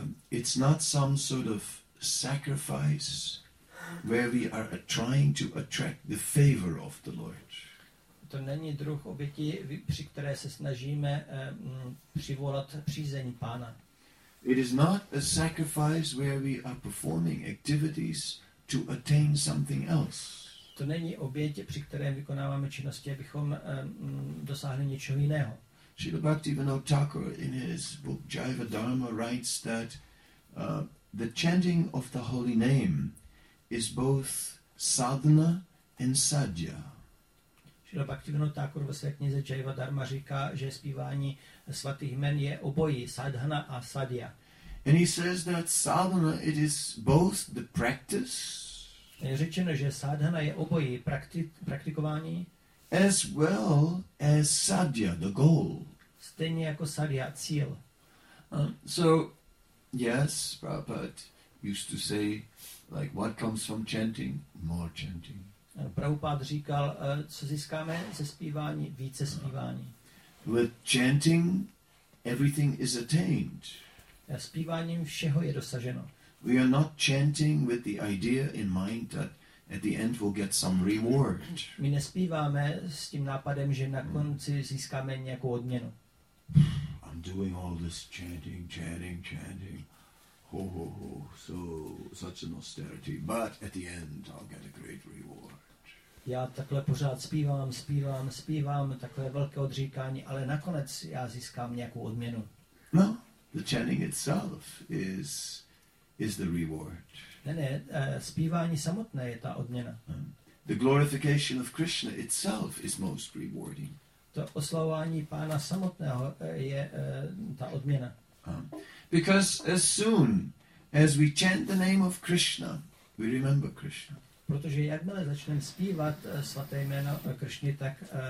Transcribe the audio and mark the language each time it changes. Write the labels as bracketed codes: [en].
[en] It's not some sort of sacrifice where we are trying to attract the favor of the Lord. [cs] To není druh oběti, při které se snažíme přivolat přízeň Pána. [en] It is not a sacrifice where we are performing activities to attain something else. [cs] To není oběť, při které vykonáváme činnosti, abychom dosáhli něčeho jiného. [en] Srila Bhaktivinoda Thakur in his book Jiva Dharma writes that the chanting of the holy name is both sadhana and sadhya. [cs] Srila Bhaktivinoda Thakur ve své knize Jiva Dharma říká, že zpívání svatých jmen je obojí, sadhana a sadhya. [en] And he says that sadhana it is both the practice. [cs] Je řečeno, že sadhana je obojí praktikování. [en] As well as sadhya, the goal. [cs] Stejně jako sadhya, cíl. [en] So, yes, Prabhupada used to say, like, what comes from chanting? More chanting. [cs] Prabhupada říkal, co získáme ze zpívání? Více zpívání. [en] With chanting, everything is attained. [cs] Zpíváním všeho je dosaženo. [en] We are not chanting with the idea in mind that at the end we'll get some reward. [cs] My nespíváme s tím nápadem, že na konci získáme nějakou odměnu. [en] I'm doing all this chanting. Ho, ho, ho, so such an austerity. But at the end I'll get a great reward. [cs] Já takhle pořád zpívám, takové velké odříkání, ale nakonec já získám nějakou odměnu. [en] No, the chanting itself is the reward. [cs] Ne, zpívání samotné je ta odměna. [en] The glorification of Krishna itself is most rewarding. [cs] To oslavování Pána samotného je ta odměna. [en] Because as soon as we chant the name of Krishna, we remember Krishna. [cs] Protože jakmile začneme zpívat svaté jméno Krishny, tak